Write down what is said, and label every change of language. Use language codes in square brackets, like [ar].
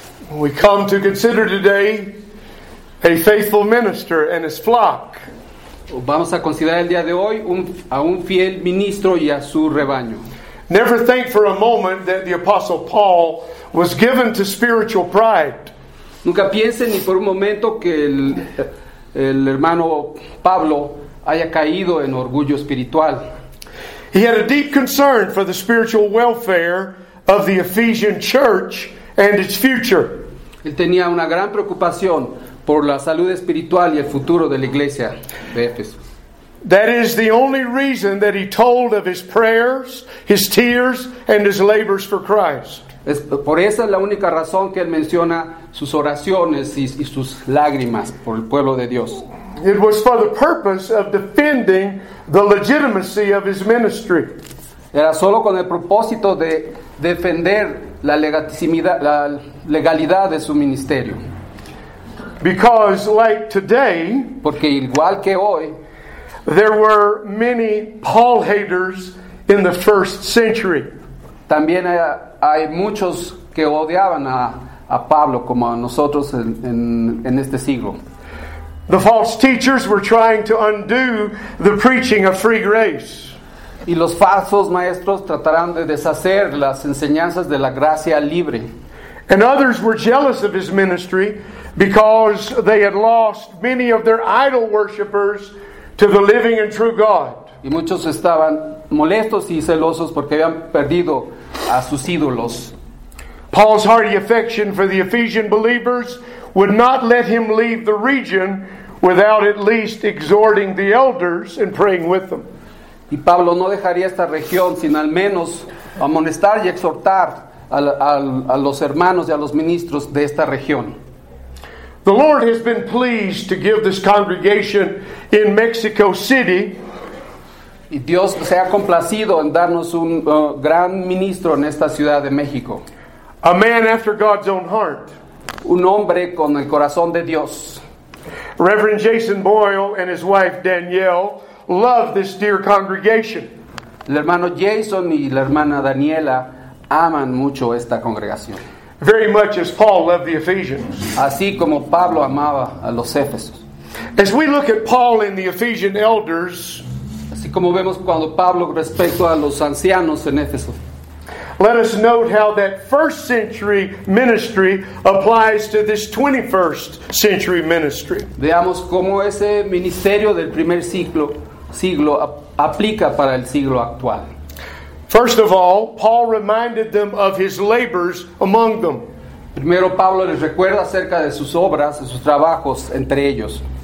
[en] We come to consider today a faithful minister and his flock. [es] Vamos a considerar el día de hoy a un fiel ministro y a su rebaño. [en] Never think for a moment that the apostle Paul was given to spiritual pride. [es] Nunca piensen ni por un momento que el hermano Pablo haya caído en orgullo espiritual. [en] He had a deep concern for the spiritual welfare of the Ephesian church and its future. [es] Él tenía una gran preocupación por la salud espiritual y el futuro de la iglesia de Éfeso. [en] That is the only reason that he told of his prayers, his tears, and his labors for Christ. [es] Es por esa es la única razón que él menciona sus oraciones y sus lágrimas por el pueblo de Dios. [en] It was for the purpose of defending the legitimacy of his ministry. [es] Era solo con el propósito de defender la legalidad de su ministerio. [en] Because like today, [es] porque igual que hoy, [en] there were many Paul haters in the first century. [es] También hay muchos que odiaban a Pablo como a nosotros en este siglo. [en] The false teachers were trying to undo the preaching of free grace. [es] Y los falsos maestros tratarán de deshacer las enseñanzas de la gracia libre. [en] And others were jealous of his ministry because they had lost many of their idol worshippers to the living and true God. [es] Y muchos estaban molestos y celosos porque habían perdido a sus ídolos. [en] Paul's hearty affection for the Ephesian believers would not let him leave the region without at least exhorting the elders and praying with them. [es] Y Pablo no dejaría esta región sin al menos amonestar y exhortar a los hermanos y a los ministros de esta región. [en] The Lord has been pleased to give this congregation in Mexico City. [es] Y Dios se ha complacido en darnos un gran ministro en esta ciudad de México. [en] A man after God's own heart. [es] Un hombre con el corazón de Dios. [en] Reverend Jason Boyle and his wife Danielle love this dear congregation. [es] El hermano Jason y la hermana Daniela aman mucho esta congregación. [en] Very much as Paul loved the Ephesians. [es] Así como Pablo amaba a los Éfesos. [en] As we look at Paul and the Ephesian elders, [es] así como vemos cuando Pablo respecto a los ancianos en Éfeso, [en] let us note how that first century ministry applies to this 21st century ministry. [es] Veamos cómo ese ministerio del primer siglo aplica para el siglo actual. [en] First of all, Paul reminded them of his labors among them. [es] Primero Pablo les recuerda acerca de sus obras, de sus trabajos entre ellos.